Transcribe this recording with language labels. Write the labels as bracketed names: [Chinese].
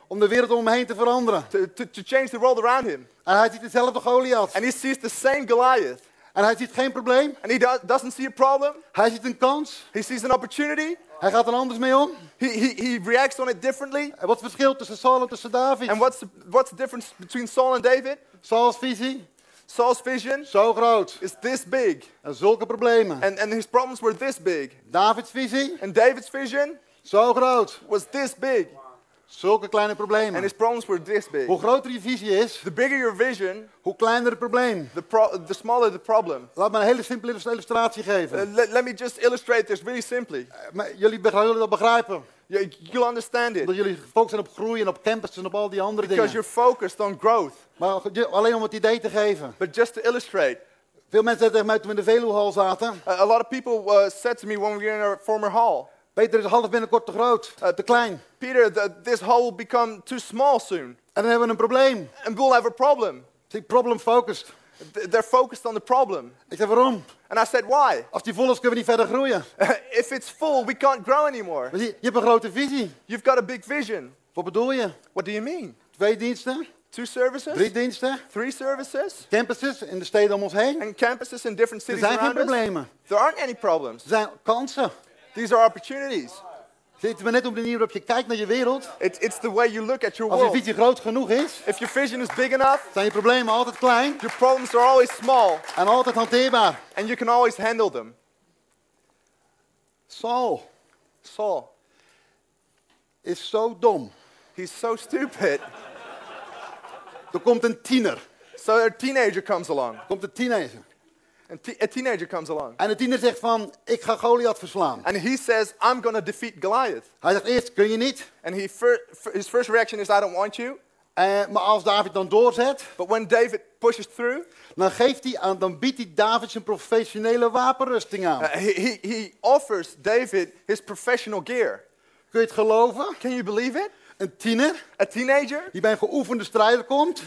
[Dutch] Om de wereld om hem heen te veranderen. [English] To change the world around him. [Dutch] En hij ziet hetzelfde Goliath. [English] And he sees the same Goliath. [Dutch] En hij ziet geen probleem. [English] And he doesn't see a problem. [Dutch] Hij ziet een kans. [English] He sees an opportunity. [Dutch] Hij gaat er anders mee om. [English] He reacts on it differently. [Dutch] En wat is het verschil tussen Saul en tussen David? [English] And what's the difference between Saul and David? [Dutch] Saul's visie. [English] Saul's vision. [Dutch] Zo groot. [English] Is this big. [Dutch] En zulke problemen. [English] And his problems were this big. [Dutch] David's visie. [English] And David's vision. [Dutch] Zo groot. [English] Was this big. [Dutch] Zulke kleine problemen. [English] And his problems were this big. [Dutch] Hoe groter je visie is, [English] the bigger your vision, [Dutch] hoe kleiner het probleem. [English] The smaller the problem. [Dutch] Laat me een hele simpele illustratie geven. [English] Let me just illustrate this really simply. [Dutch] Jullie dat begrijpen. [English] You'll understand it. [Dutch] Dat jullie gefocust zijn op groei en op campus en op al die andere dingen. [English] Because you're focused on growth. [Dutch] Maar alleen om het idee te geven. [English] But just to illustrate. [Dutch] Veel mensen zeiden tegen mij toen we in de Veluwehal zaten. [English] A lot of people said to me when we were in our former hall. [Dutch] Peter is half binnenkort te groot, te klein. [English] Peter, this hall will become too small soon. [Dutch] En dan hebben we een probleem. [English] And we'll have a problem. See, problem focused. They're focused on the problem. [Dutch] Ik zei, waarom? [English] And I said, why? [Dutch] Als die vol is, kunnen we niet verder groeien. [English] If it's full, we can't grow anymore. [Dutch] Je hebt een grote visie. [English] You've got a big vision. [Dutch] Wat bedoel je? [English] What do you mean? [Dutch] Twee diensten. [English] Two services. [Dutch] Drie diensten. [English] Three services. [Dutch] Campuses in de steden om ons heen. [English] And campuses in different cities around us. [Dutch] Er zijn geen problemen. [English] There aren't any problems. [Dutch] Er zijn kansen. [English] These are opportunities. [Dutch] Het is net op de manier waarop je kijkt naar je wereld. [English] It's the way you look at your world. [Dutch] Als je visie groot genoeg is, [English] if your vision is big enough, [Dutch] zijn je problemen altijd klein. [English] Your problems are always small. [Dutch] En altijd hanteerbaar. [English] And you can always handle them. [Dutch] Saul is zo dom. [English] He's so stupid. [Dutch] Er komt een tiener. [English] So a teenager comes along. [Dutch] Komt een teenager. [English] A teenager comes along. [Dutch] En de tiener zegt van, ik ga Goliath verslaan. [English] And he says, I'm going to defeat Goliath. [Dutch] Hij zegt eerst, kun je niet. [English] And his first reaction is, I don't want you. [Dutch] Maar als David dan doorzet. [English] But when David pushes through. [Dutch] Dan biedt hij David zijn professionele wapenrusting aan. [English] He offers David his professional gear. [Dutch] Kun je het geloven? [English] Can you believe it? [Dutch] Een tiener. [English] A teenager. [Dutch] Die bij een geoefende strijder komt.